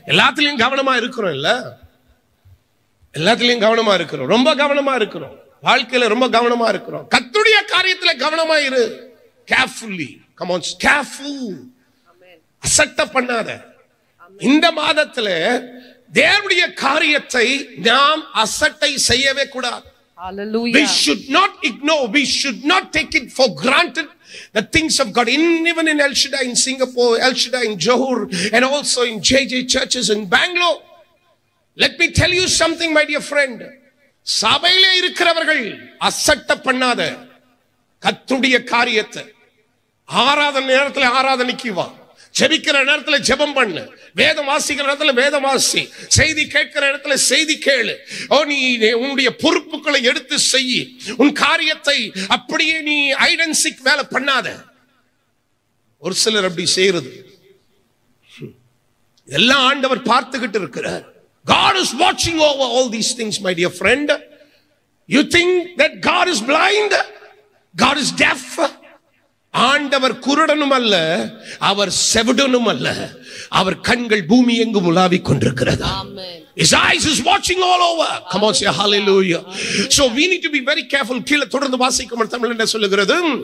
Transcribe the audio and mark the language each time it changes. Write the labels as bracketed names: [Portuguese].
[Tamil] எல்லாத்திலையும் கவனமா இருக்கிறோம் இல்ல? எல்லாத்திலையும் கவனமா இருக்கிறோம், ரொம்ப கவனமா இருக்கிறோம், வாழ்க்கையில ரொம்ப கவனமா இருக்கிறோம். கர்த்தருடைய காரியத்துல கவனமா இரு. [English] Carefully. Come on, careful. [Tamil] அசட்ட பண்ணாத. இந்த மாதத்துல தேவனுடைய காரியத்தை நாம் அசட்டை செய்யவே கூடாது. [English] Hallelujah. We should not ignore, we should not take it for granted the things of God, even in El Shaddai in Singapore, El Shaddai in Johor, and also in JJ churches in Bangalore. Let me tell you something, my dear friend. [Tamil] சபையில இருக்கிறவர்கள் அசட்ட பண்ணாத. கர்த்தருடைய காரியத்தை ஆராதனை நேரத்துல ஆராதனைக்கு வா, ஜெபிக்கிற நேரத்துல ஜெபம் பண்ணு, வேதம் வாசிக்கிற இடத்துல வேதம் வாசி, செய்தி கேட்கிற இடத்துல செய்தி கேளு. ஓ, நீ உன்னுடைய பொறுப்புகளை எடுத்து செய்ய, உன் காரியத்தை அப்படியே நீ ஐடென்சிக் வேலை பண்ணாத. ஒரு சிலர் அப்படி செய்யறது. எல்லாம் ஆண்டவர் பார்த்துக்கிட்டு இருக்கிறார். [English] God is watching over all these things, my dear friend. You think that God is blind? God is deaf? [Tamil] ஆண்டவர் குருடனும் அல்ல, அவர் செவிடனும் அல்ல, அவர் கண்கள் பூமி எங்கும் உலாவி கொண்டிருக்கிறது. [English] His eyes is watching all over. Come on, say hallelujah. So we need to be very careful. [Tamil] கீழே தொடர்ந்து வாசிக்கும் தமிழ் என்ன சொல்லுகிறது?